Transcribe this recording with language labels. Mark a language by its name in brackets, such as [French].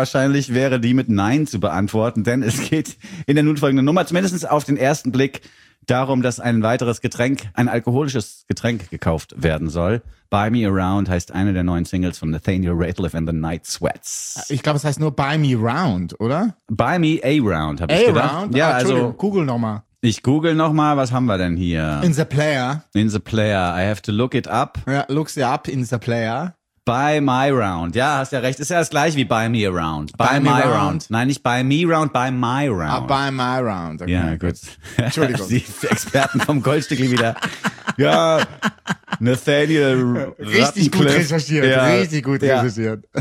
[German] Wahrscheinlich wäre die mit Nein zu beantworten, denn es geht in der nun folgenden Nummer zumindest auf den ersten Blick darum, dass ein weiteres Getränk, ein alkoholisches Getränk gekauft werden soll. Buy Me Around heißt eine der neuen Singles von Nathaniel Rateliff and the Night Sweats. Ich glaube, es heißt nur Buy Me Round, oder? Buy Me A Round, habe ich gedacht. A Round? Ja, also Google nochmal. Ich google nochmal, was haben wir denn hier? [English] In the player. In the player. I have to look it up. Ja, look's it up in the player. Buy My Round. [German] Ja, hast ja recht. Ist ja das gleiche wie Buy Me Around. Buy My Round. Nein, nicht Buy Me Round, Buy My Round. Ah, Buy My Round. Okay. Ja, gut. Entschuldigung. Die Experten vom Goldstückli wieder. Ja, Nathaniel richtig gut recherchiert. Ja. Richtig gut recherchiert.